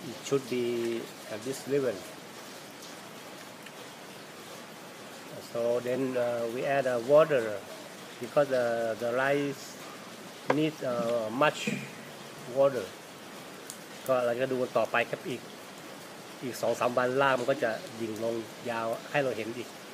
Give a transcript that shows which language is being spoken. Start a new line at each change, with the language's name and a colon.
English: should be at this level. So then we add water because the rice needs much water.
Thai: ก็เราจะดูต่อไปครับอีก2-3 วันล่ามันก็จะดิ่งลงยาวให้เราเห็นอีก